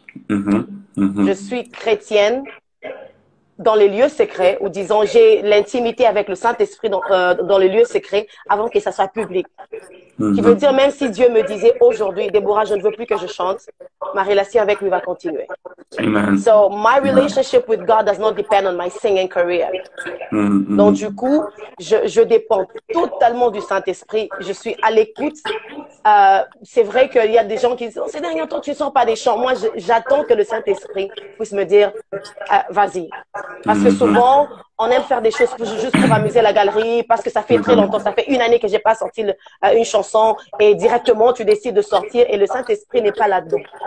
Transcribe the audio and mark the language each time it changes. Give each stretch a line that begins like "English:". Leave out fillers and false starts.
French: Je suis chrétienne dans les lieux secrets ou disons, j'ai l'intimité avec le Saint-Esprit dans les lieux secrets avant que ça soit public. Qui veut dire, même si Dieu me disait aujourd'hui, Déborah, je ne veux plus que je chante, ma relation avec lui va continuer. Amen.
English: So, my relationship with God does not depend on my singing career.
French: Donc, du coup, je dépends totalement du Saint-Esprit. Je suis à l'écoute. C'est vrai qu'il y a des gens qui disent, oh, ces derniers temps, tu ne sors pas des chants. Moi, j'attends que le Saint-Esprit puisse me dire, vas-y. Parce que souvent, on aime faire des choses juste pour amuser la galerie, parce que ça fait très longtemps, ça fait une année que je n'ai pas sorti une chanson, et directement, tu décides de sortir, et le Saint-Esprit n'est pas là-dedans.